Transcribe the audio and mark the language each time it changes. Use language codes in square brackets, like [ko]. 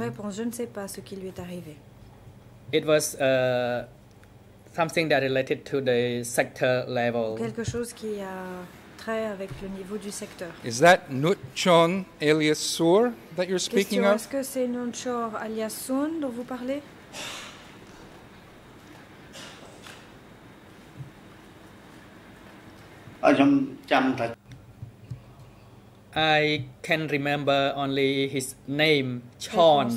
[fr] Réponse, je ne sais pas ce qui lui est arrivé. [en] It was something that related to the sector level. [fr] Quelque chose qui a trait avec le niveau du secteur. [en] Is that Nut Chon alias Sur that you're speaking [fr] Question, [en] of? [fr] Est-ce que c'est Nut Chon alias Sun dont vous parlez? [en] I can remember only his name, Chon.